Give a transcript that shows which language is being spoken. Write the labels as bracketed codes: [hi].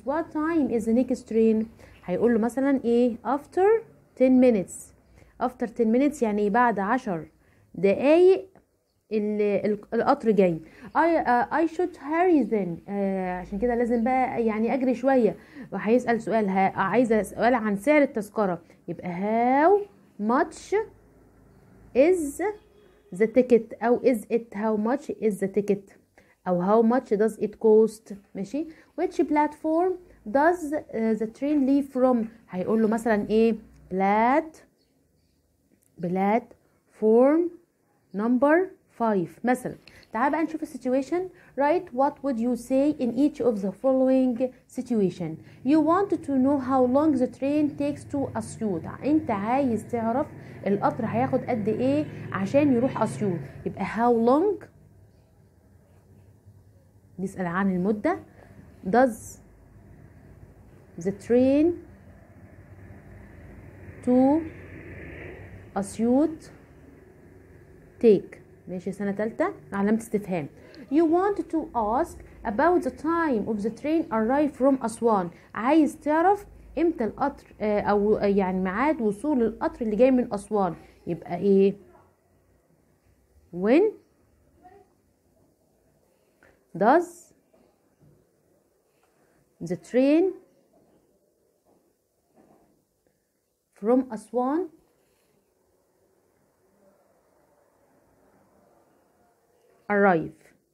[en] What time is the next train؟ [ar] هيقول له مثلا ايه [en] after 10 minutes. After 10 minutes [ar] يعني بعد 10 دقايق القطر جاي. [en] I should hurry then. [ar] عشان كده لازم بقى يعني اجري شوية. وهيسأل سؤال، عايزة سؤال عن سعر التذكرة. [en] يبقى how much is the ticket، او is it how much is the ticket، أو how much does it cost. [ar] ماشي. [en] which platform does the train leave from؟ [ar] هيقول له مثلا ايه [en] platform number 5 مثلا. [ar] تعال بقى نشوف situation. [en] write what would you say in each of the following situation. you want to know how long the train takes to Assiut. [ar] انت عايز تعرف القطر هياخد قد ايه عشان يروح أسيوط. يبقى [en] how long [ar] بيسأل عن المدة. [en] does the train to Assiut take. [ar] ماشي سنة تالتة علامة استفهام. [en] you want to ask about the time of the train arrive from Aswan. [ar] عايز تعرف امتى القطر او يعني ميعاد وصول القطر اللي جاي من أسوان. يبقى ايه [en] when does the train from Aswan arrive.